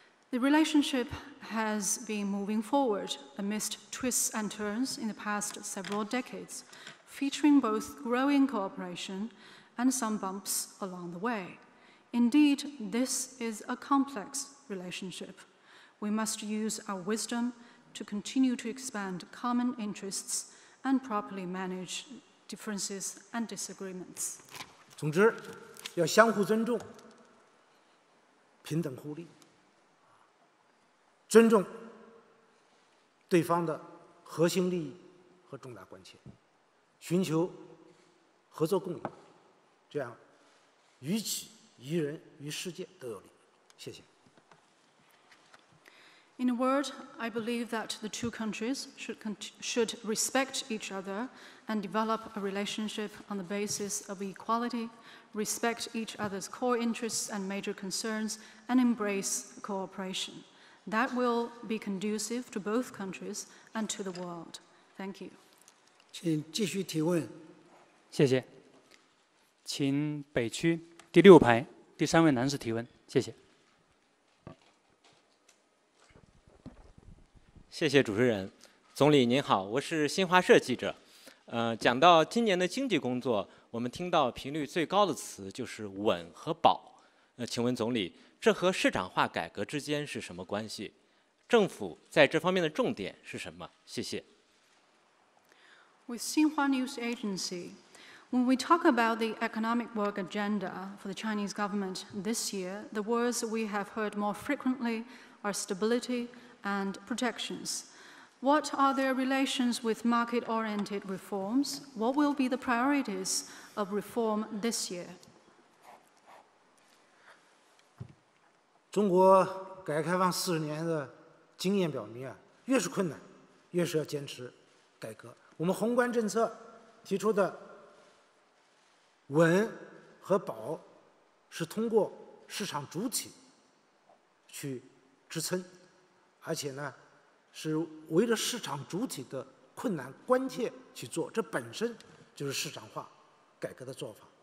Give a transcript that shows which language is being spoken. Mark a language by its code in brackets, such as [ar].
[en] The relationship has been moving forward amidst twists and turns in the past several decades, featuring both growing cooperation and some bumps along the way. Indeed, this is a complex relationship. We must use our wisdom to continue to expand common interests and properly manage differences and disagreements. [zh] 总之，要相互尊重，平等互利，尊重对方的核心利益和重大关切，寻求合作共赢，这样与己于人于世界都有利。谢谢。 [en] In a word, I believe that the two countries should respect each other and develop a relationship on the basis of equality, respect each other's core interests and major concerns, and embrace cooperation. That will be conducive to both countries and to the world. Thank you. [zh] 请继续提问。谢谢。请北区第六排第三位男士提问，谢谢。谢谢主持人。总理您好，我是新华社记者。讲到今年的经济工作，我们听到频率最高的词就是稳和保。请问总理，这和市场化改革之间是什么关系？政府在这方面的重点是什么？谢谢。 [en] With 新华 News Agency,When we talk about the economic work agenda for the Chinese government this year, the words we have heard more frequently are stability and protections. What are their relations with market-oriented reforms? What will be the priorities of reform this year? [zh] 中国改革开放四十年的经验表明，越是困难，越是要坚持改革。我们宏观政策提出的稳和保是通过市场主体去支撑，而且呢是为了市场主体的困难关切去做，这本身就是市场化改革的做法。